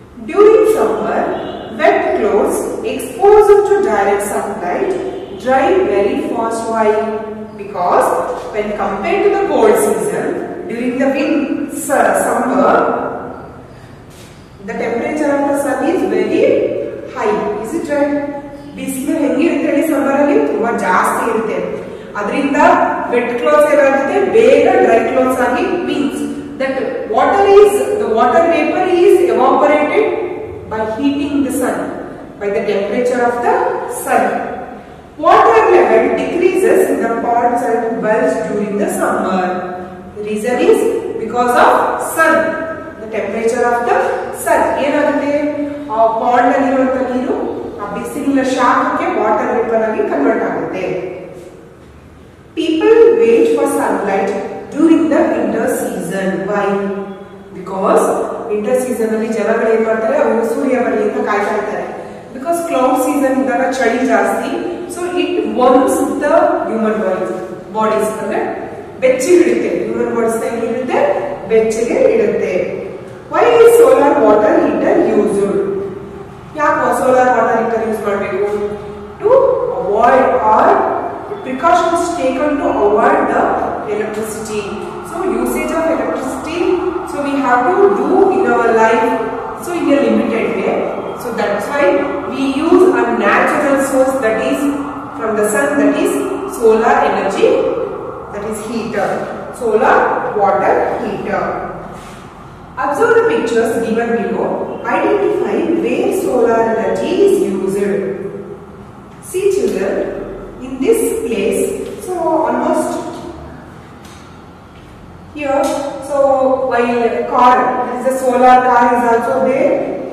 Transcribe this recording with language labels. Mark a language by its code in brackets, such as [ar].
[en] During summer, wet clothes exposed to direct sunlight dry very fast. Why? Because when compared to the cold season, during the winter summer, the temperature of the sun is very high. Is it right? [kn] ಬಿಸಿಲು ಹೆಂಗೆ ಇರುತ್ತೆ ಹೇಳಿ, ಸಮ್ಮರಲ್ಲಿ ತುಂಬಾ ಜಾಸ್ತಿ ಇರುತ್ತೆ. ಅದರಿಂದ vet clothes ಏನಾಗುತ್ತೆ, ಬೇಗ ಡ್ರೈ ಕ್ಲೋತ್ಸ್ ಆಗಿ, [en] Means that water is the water vapour is evaporated by heating the sun. By the temperature of the sun, water level decreases in the ponds and wells during the summer. The reason is because of sun. The temperature of the sun. [kn] ಏನಾಗುತ್ತೆ, ಆ pond ನಲ್ಲಿರುವಂತ ನೀರು ಆ ಬಿಸಿಲಿನ ಶಾಖಕ್ಕೆ water vapour ಆಗಿ convert ಆಗುತ್ತೆ. [en] People wait for sunlight during the winter season. Why? Because winter season [kn] ಅಲ್ಲಿ ಜನಗಳು ಏನ್ ಮಾಡ್ತಾರೆ, ಅವರು ಸೂರ್ಯ ಬರಲಿ ಅಂತ ಕಾಯ್ತಾ ಇರ್ತಾರೆ. [en] because cloud season [kn] ಇದ್ದಾಗ ಚಳಿ ಜಾಸ್ತಿ, [en] So it warms the human bodies. [kn] ಅಂದ್ರೆ ಬೆಚ್ಚಗಿಡುತ್ತೆ, ಹ್ಯೂಮನ್ ಬಾಡೀಸ್ ಹೇಗಿರುತ್ತೆ, ಬೆಚ್ಚಗೆ ಇಡುತ್ತೆ. [en] Why is solar water heater used? [kn] ಯಾಕೆ ಸೋಲಾರ್ ವಾಟರ್ ಹೀಟರ್ ಯೂಸ್ ಮಾಡಬೇಕು? [en] To avoid are precautions taken to avoid the electricity. So usage of electricity so we have to do in our life, so in a limited way. So that's why we use a natural source that is from the the sun, that is solar energy, that is heater, solar water heater. Observe the pictures given below. Identify where solar energy is used. See children, in this place, so almost here, so while car, this is a solar car, is also there.